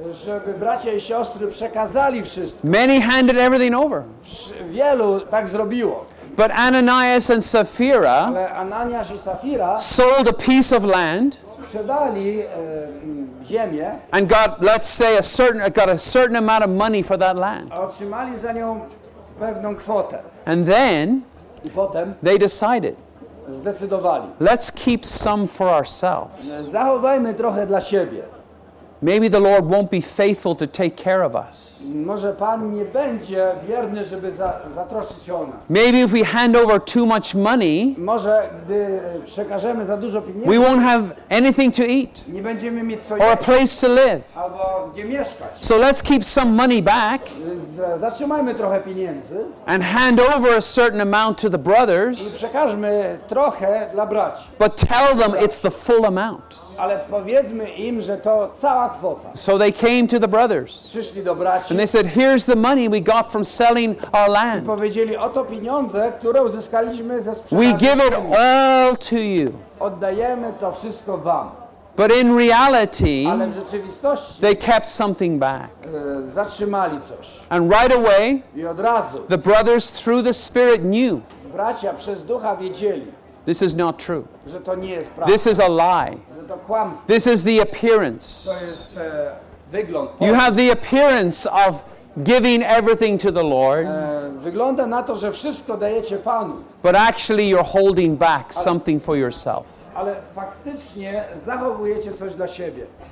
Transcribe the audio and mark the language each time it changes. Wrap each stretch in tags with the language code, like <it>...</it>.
<pl>żeby bracia i siostry przekazali wszystko.</pl> <en>Many handed everything over.</en> <pl>Wielu tak zrobiło.</pl> <en>But Ananias and Sapphira,</en> <pl>ale Ananias i Sapphira</pl> <en>sold a piece of land,</en> <pl>sprzedali ziemię,</pl> <en>and got, let's say, a certain amount of money for that land.</en> <pl>Otrzymali za nią pewną kwotę.</pl> <en>And then,</en> <pl>i potem,</pl> <en>they decided,</en> <pl>zdecydowali,</pl> <en>let's keep some for ourselves.</en> <pl>Zachowajmy trochę dla siebie.</pl> <en>Maybe the Lord won't be faithful to take care of us.</en> <pl>Może Pan nie będzie wierny, żeby zatroszczyć się o nas.</pl> <en>Maybe if we hand over too much money,</en> <pl>może gdy przekażemy za dużo pieniędzy,</pl> <en>we won't have anything to eat,</en> <pl>nie będziemy mieć co jeść,</pl> <en>or a place to live,</en> <pl>albo gdzie mieszkać.</pl> <en>So let's keep some money back,</en> <pl>zatrzymajmy trochę pieniędzy,</pl> <en>and hand over a certain amount to the brothers,</en> <pl>i przekażmy trochę dla braci.</pl> <en>But tell them it's the full amount.</en> <pl>Ale powiedzmy im, że to cała kwota.</pl> <en>So they came to the brothers.</en> <pl>Przyszli do braci.</pl> <en>And they said, here's the money we got from selling our land.</en> <pl>I powiedzieli, oto pieniądze, które uzyskaliśmy ze sprzedaży.</pl> <en>We give it all to you.</en> <pl>Oddajemy to wszystko wam.</pl> <en>But in reality,</en> <pl>ale w rzeczywistości,</pl> <en>they kept something back.</en> <pl>Zatrzymali coś.</pl> <en>And right away,</en> <pl>i od razu,</pl> <en>the brothers through the Spirit knew.</en> <pl>Bracia przez ducha wiedzieli.</pl> <en>This is not true.</en> <pl>Że to nie jest prawda.</pl> <en>This is a lie.</en> <pl>Że to kłamstwo.</pl> <en>This is the appearance.</en> <pl>To jest, wygląd.</pl> <en>You have the appearance of giving everything to the Lord.</en> <pl>Wygląda na to, że wszystko dajecie Panu.</pl> <en>But actually you're holding back something for yourself.</en> <pl>Ale faktycznie zachowujecie coś dla siebie.</pl>